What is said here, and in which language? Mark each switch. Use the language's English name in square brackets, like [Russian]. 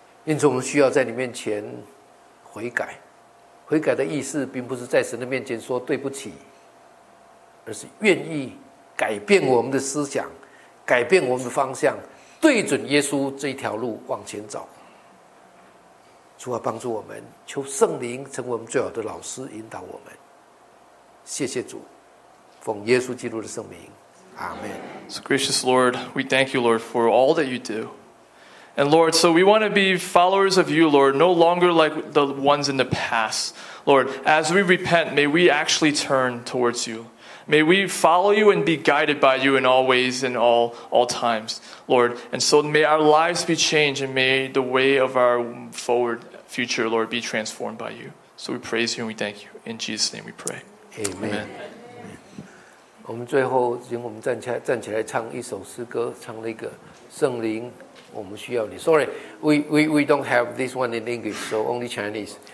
[Chinese] 因此我们需要在你面前悔改。悔改的意思并不是在神的面前说对不起，而是愿意改变我们的思想，改变我们的方向，对准耶稣这一条路往前走。主啊，帮助我们，求圣灵成为我们最好的老师，引导我们。谢谢主，奉耶稣基督的圣名，阿们。 [English] So gracious Lord, we thank you, Lord, for all that you do. And Lord, so we want to be followers of you, Lord, no longer like the ones in the past. Lord, as we repent, may we actually turn towards you. May we follow you and be guided by you in all ways and all times, Lord. And so may our lives be changed and may the way of our forward future, Lord, be transformed by you. So we praise you and we thank you. In Jesus' name we pray. Amen. [Chinese] 我们最后请我们站起来唱一首诗歌，唱那个圣灵我们需要你。 [English] Sorry, we don't have this one in English, so only Chinese.